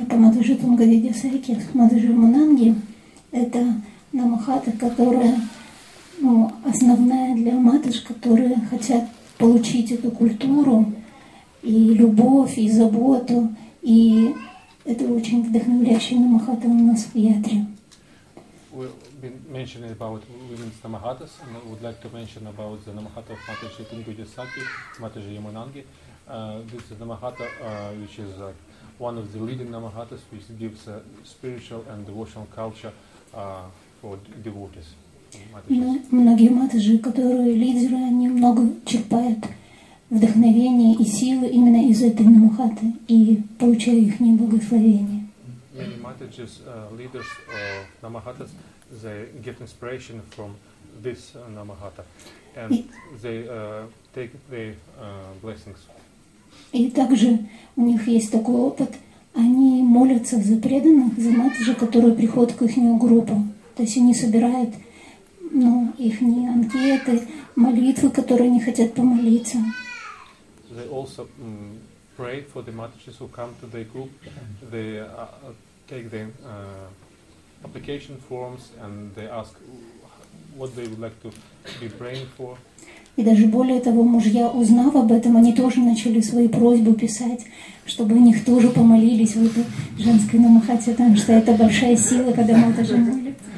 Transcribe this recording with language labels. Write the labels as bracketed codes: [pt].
[ru] Это Мадыжи Тунгавиди Сайки, Мадыжи Мунанги. Это намахата, которая основная для матыш, которые хотят получить эту культуру и любовь, и заботу. И это очень вдохновляющая намахата у нас в Ятре. [en] Been mentioning about women's namahatas, and I would like to mention about the namahata of Mataji Tungudya Saki, Mataji Yamunangi. This is namahata which is one of the leading namahatas, which gives a spiritual and devotional culture for devotees. [ru] Многие матажи, которые лидеры, они много черпают вдохновения и силы именно из этой намахаты и получают их благословение. [en] many Matajis, leaders of Namahatas, they get inspiration from this Namahata, and they take the blessings. [ru] И также у них есть такой опыт, они молятся за преданных, за матиджи, которые приходят к их группе. То есть они собирают ну, их анкеты, молитвы, которые они хотят помолиться. [en] They also pray for the matiджи, who come to their group. They take the application forms and they ask what they would like to be praying for. [ru] И даже более того, мужья, узнав об этом, они тоже начали свои просьбы писать, чтобы у них тоже помолились в этой женской намахате, потому что это большая сила, когда матаджи молятся.